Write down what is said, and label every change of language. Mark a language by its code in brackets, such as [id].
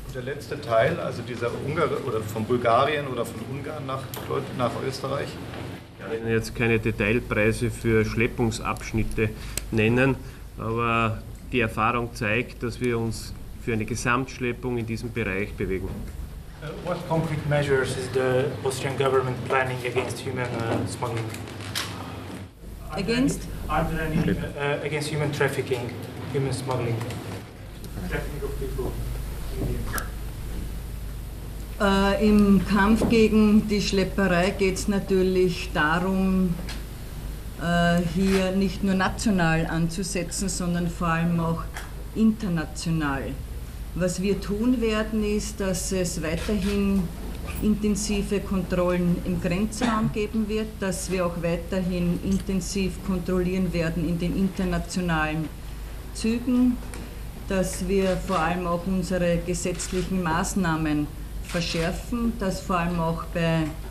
[de] Der letzte Teil, also dieser Ungarn oder von Bulgarien oder von Ungarn nach Österreich? Ich kann jetzt keine Detailpreise für Schleppungsabschnitte nennen, aber die Erfahrung zeigt, dass wir uns für eine Gesamtschleppung in diesem Bereich bewegen. [en] What concrete measures is the Austrian government planning against human smuggling? Against? Are there any, against human trafficking, human smuggling, trafficking of people? [de] Im Kampf gegen die Schlepperei geht es natürlich darum, hier nicht nur national anzusetzen, sondern vor allem auch international. Was wir tun werden, ist, dass es weiterhin intensive Kontrollen im Grenzraum geben wird, dass wir auch weiterhin intensiv kontrollieren werden in den internationalen Zügen, dass wir vor allem auch unsere gesetzlichen Maßnahmen verschärfen, dass vor allem auch bei